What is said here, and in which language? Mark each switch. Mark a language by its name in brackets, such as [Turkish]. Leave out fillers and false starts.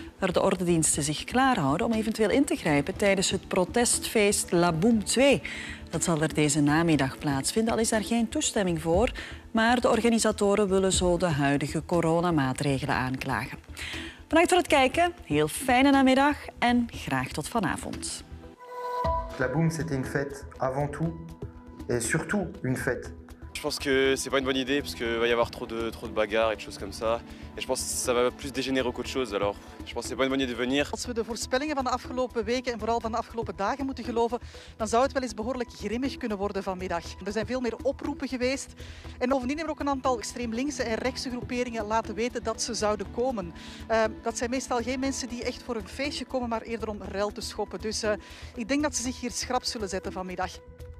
[Dutch] waar de ordendiensten zich klaarhouden om eventueel in te grijpen tijdens het protestfeest La Boom 2. Dat zal er deze namiddag plaatsvinden, al is daar geen toestemming voor. Maar de organisatoren willen zo de huidige coronamaatregelen aanklagen. Bedankt voor het kijken, heel fijne namiddag en graag tot vanavond. [French] La Boom, c'était une fête avant tout et surtout une fête. Je pense que c'est pas une bonne idée parce qu'il va y avoir trop de bagarres et de choses comme ça. Et je pense que ça va plus dégénérer qu'autre chose. Alors, je pense que c'est pas une bonne idée de venir. [Dutch] Als we de voorspellingen van de afgelopen weken en vooral van de afgelopen dagen moeten geloven, dan zou het wel eens behoorlijk grimmig kunnen worden vanmiddag. Er zijn veel meer oproepen geweest. En bovendien hebben ook een aantal extreem linkse en rechtse groeperingen laten weten dat ze zouden komen. Dat zijn meestal geen mensen die echt voor een feestje komen, maar eerder om rel te schoppen. Dus ik denk dat ze zich hier schrap zullen zetten vanmiddag.